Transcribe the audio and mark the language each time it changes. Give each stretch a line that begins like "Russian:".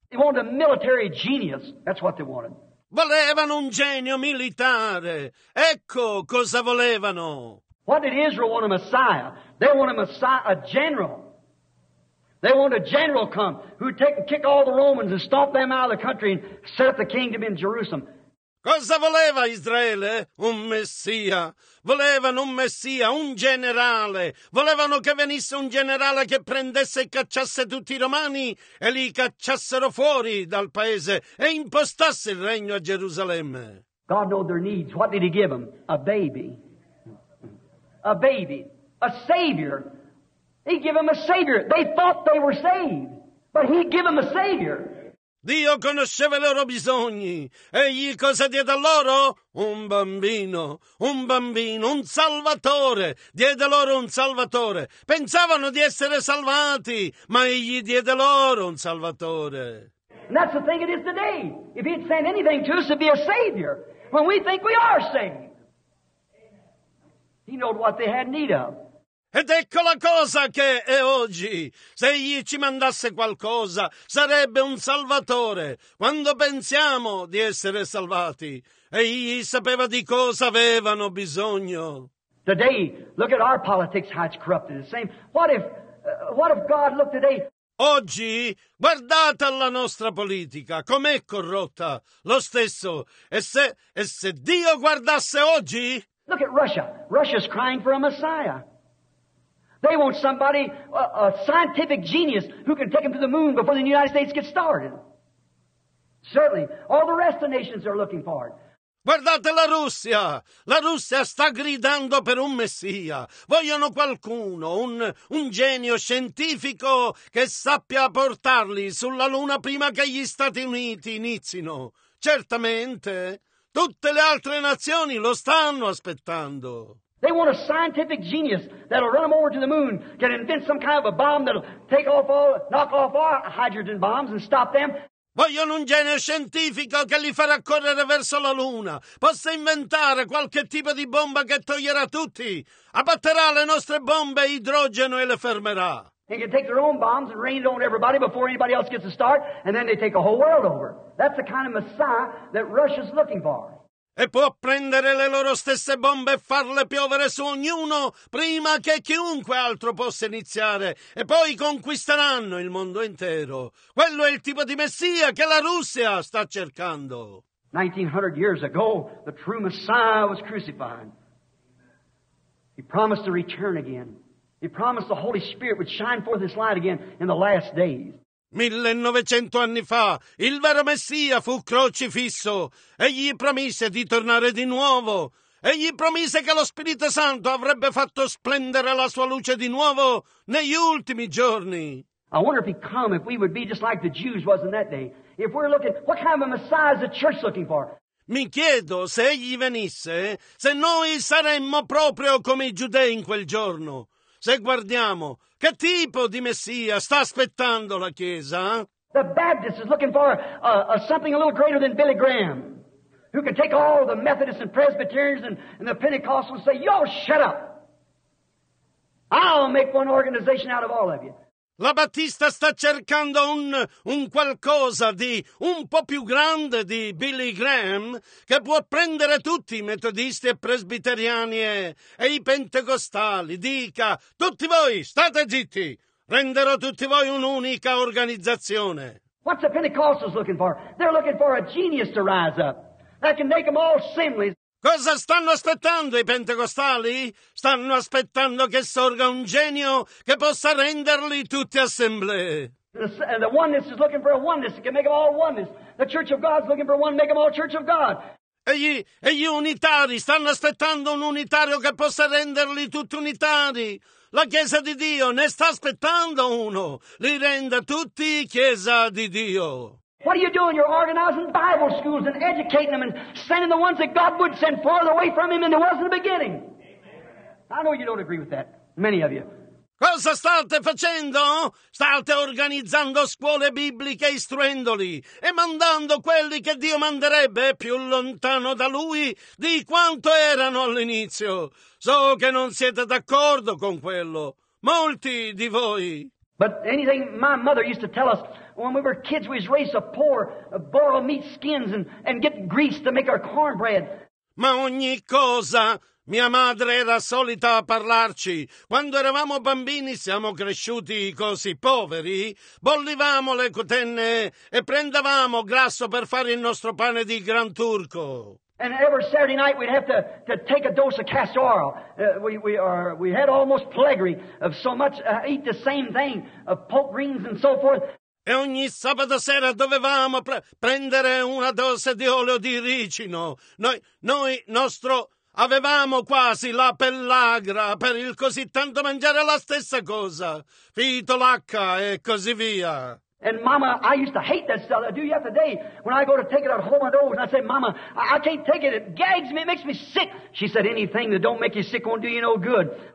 English: They wanted a military genius. That's what they wanted.
Italian: Volevano un genio militare. Ecco cosa volevano.
English: What did Israel want? A messiah. They want a messiah, a general. They want a general come who would take and kick all the Romans and stomp them out of the country and set up the kingdom in Jerusalem.
Italian: Cosa voleva Israele? Un messia. Volevano un messia, un generale. Volevano che venisse un generale che prendesse e cacciasse tutti i romani e li cacciassero fuori dal paese e impostasse il regno a Gerusalemme.
English: God knew their needs. What did he give them? A baby. A baby. A savior. He gave them a savior. They thought they were saved, but he gave them a savior.
Italian: Dio conosceva i loro bisogni. Egli cosa diede a loro? Un bambino. Un bambino, un salvatore. Diede loro un salvatore. Pensavano di essere salvati, ma egli diede loro un salvatore.
English: And that's the thing it is today. If he'd send anything to us, it'd be a savior. When we think we are saved. He knew what they had need of.
Italian: Ed ecco la cosa che è oggi. Se egli ci mandasse qualcosa, sarebbe un salvatore. Quando pensiamo di essere salvati, egli sapeva di cosa avevano bisogno.
English: Today, look at our politics, how it's corrupted. The same. What if God looked today?
Italian: Oggi, guardate la nostra politica, com'è corrotta. Lo stesso. E se Dio guardasse oggi?
English: Look at Russia. Russia's crying for a messiah. They want somebody, a scientific genius, who can take them to the moon before the United States gets started. Certainly, all the rest of the nations are looking for it.
Italian: Guardate la Russia. La Russia sta gridando per un messia. Vogliono qualcuno, un genio scientifico che sappia portarli sulla luna prima che gli Stati Uniti inizino. Certamente, tutte le altre nazioni lo stanno aspettando.
English: They want a scientific genius that'll run them over to the moon, can invent some kind of a bomb that'll take off all, knock off our hydrogen bombs and stop them.
Italian: Vogliono un genio scientifico che li farà correre verso la luna, possa inventare qualche tipo di bomba che toglierà tutti, abbatterà le nostre bombe idrogeno e le fermerà.
English: They can take their own bombs and rain it on everybody before anybody else gets a start, and then they take a whole world over. That's the kind of messiah that Russia's looking for.
Italian: E può prendere le loro stesse bombe e farle piovere su ognuno prima che chiunque altro possa iniziare. E poi conquisteranno il mondo intero. Quello è il tipo di messia che la Russia sta cercando.
English: 1900 years ago, the true Messiah was crucified. He promised to return again. He promised the Holy Spirit would shine forth his light again in the last days.
Italian: 1900 anni fa, il vero Messia fu crocifisso e gli promise di tornare di nuovo. Egli promise che lo Spirito Santo avrebbe fatto splendere la sua luce di nuovo negli ultimi giorni.
English: I wonder if he come, if we would be just like the Jews was in that day. If we're looking, what kind of a Messiah is the church looking for?
Italian: Mi chiedo se egli venisse, se noi saremmo proprio come i giudei in quel giorno. Se guardiamo, che tipo di messia sta aspettando la Chiesa?
English: The Baptist is looking for a something a little greater than Billy Graham, who can take all the Methodists and Presbyterians and the Pentecostals and say, "Y'all shut up! I'll make one organization out of all of you."
Italian: La Battista sta cercando un qualcosa di un po' più grande di Billy Graham, che può prendere tutti i metodisti e presbiteriani e i pentecostali. Dica, tutti voi, state zitti, renderò tutti voi un'unica organizzazione.
English: What's the Pentecostals looking for? They're looking for a genius to rise up that can make them all seemly.
Italian: Cosa stanno aspettando i pentecostali? Stanno aspettando che sorga un genio che possa renderli tutti assemblee.
English: And the oneness is looking for a oneness that can make them all oneness. The church of God is looking for one to make them all church of God.
Italian: E gli unitari stanno aspettando un unitario che possa renderli tutti unitari. La Chiesa di Dio ne sta aspettando uno. Li renda tutti Chiesa di Dio.
English: What are you doing? You're organizing Bible schools and educating them and sending the ones that God would send farther away from him than there was in the beginning. I know you don't agree with that, many of you.
Italian: Cosa state facendo? State organizzando scuole bibliche istruendoli e mandando quelli che Dio manderebbe più lontano da Lui di quanto erano all'inizio. So che non siete d'accordo con quello. Molti di voi.
English: But anything my mother used to tell us when we were kids, we was raised to pour boiled meat skins and get grease to make our cornbread.
Italian: Ma ogni cosa... Mia madre era solita a parlarci. Quando eravamo bambini siamo cresciuti così poveri. Bollivamo le cotenne e prendevamo grasso per fare il nostro pane di Gran Turco.
English: And every Saturday night we'd have to take a dose of castor oil. We had almost plegary of so much, eat the same thing, of pork rings and so forth.
Italian: E ogni sabato sera dovevamo prendere una dose di olio di ricino. Noi nostro... Avevamo quasi la pellagra per il così tanto mangiare la stessa cosa, fitolacca e così via.
English: And mama, I used to hate that stuff. I do yet today when I go to take it out, hold my nose, and I say, mama, I can't take it. It gags me, it makes me sick. She said, anything that don't make you sick won't do you no good.